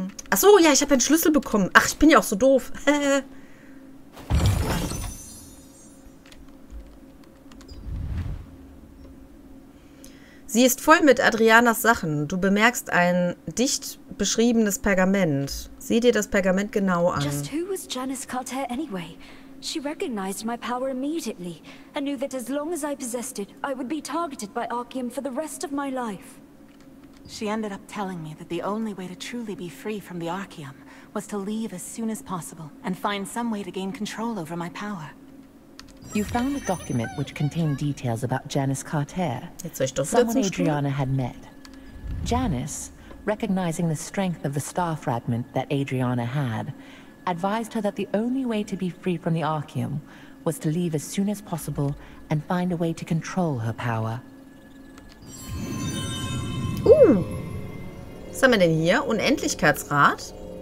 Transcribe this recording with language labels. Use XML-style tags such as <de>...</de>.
<de>Ach so, ja, ich habe einen Schlüssel bekommen. Ach, ich bin ja auch so doof. Sie ist voll mit Adrianas Sachen. Du bemerkst ein dicht beschriebenes Pergament. Sieh dir das Pergament genau an.</de> <en>Just who was Janice Carter anyway? She recognized my power immediately and knew that as long as I possessed it, I would be targeted by Archaeum for the rest of my life. She ended up telling me that the only way to truly be free from the Archaeum was to leave as soon as possible and find some way to gain control over my power. You found a document which contained details about Janice Carter, someone Adriana had met. Janice, recognizing the strength of the star fragment that Adriana had, advised her that the only way to be free from the Archaeum was to leave as soon as possible and find a way to control her power.</en> <de>Was haben wir denn hier? Unendlichkeitsrat?</de>